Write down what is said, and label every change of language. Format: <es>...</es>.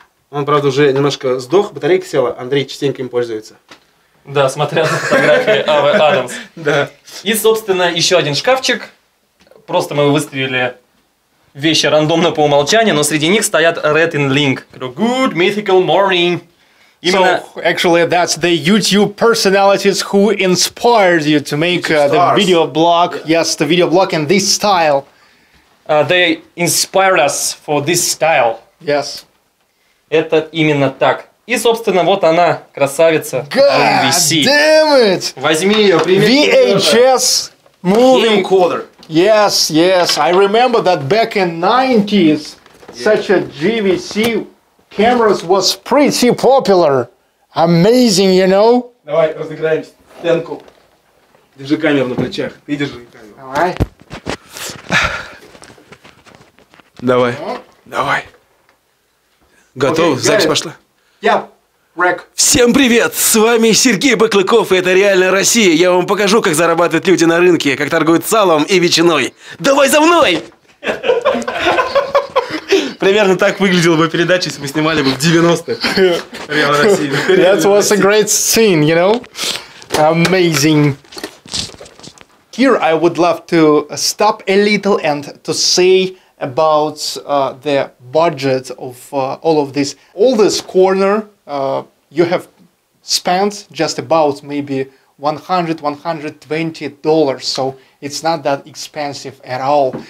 <ru>Он, правда, уже немножко сдох, батарейка села. Андрей частенько им пользуется. Да, смотря на фотографии Авы Адамс. Да. И, собственно, еще один шкафчик. Просто мы выставили... Вещи рандомно по умолчанию, но среди них стоят Red and Link.</ru> <en>Good mythical morning.</en> <ru>Именно...</ru> <en>So, actually, that's the YouTube personalities who inspired you to make the video blog. Yeah. Yes, the video blog in this style. They inspired us for this style. Yes.</en> <ru>Это именно так. И, собственно, вот она, красавица.</ru> <en>God MVC. Damn it!</en> <ru>Возьми ее, прими.</ru> <en>VHS movie recorder. Yes, yes. I remember that back in 90s, such a GVC cameras was pretty popular. Amazing, you know?</en> <ru>Давай разыграем стенку. Держи камеру на плечах. Ты держи камеру. Давай. Давай. Давай. Готов? Okay, запись пошла?</ru> <en>Yep.</en> <ru>Всем привет! С вами Сергей Баклыков, и это «Реальная Россия». Я вам покажу, как зарабатывают люди на рынке, как торгуют салом и ветчиной. Давай за мной! Примерно так выглядела бы передача, если бы снимали бы в 90-х. «Реальная Россия».</ru> <en>That was a great scene, you know? Amazing. Here I would love to stop a little and to say about the budget of all of this. All this corner... you have spent just about maybe $100-$120, so it's not that expensive at all.</en>